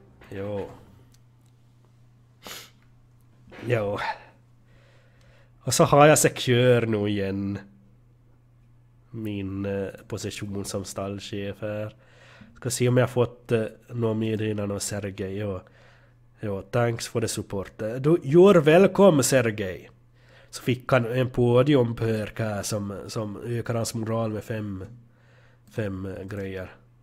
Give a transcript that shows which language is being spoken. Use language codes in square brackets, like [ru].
[sv] Jo. Jo. Och så har jag Secure nu igen. Min position som stallchef här. Ska se om jag fått något meddelande av Sergej. Och, ja, [en] thanks for the support. Du, you're welcome Sergej. [sv] Så fick han en podiumperk här som ökar hans moral med fem grejer.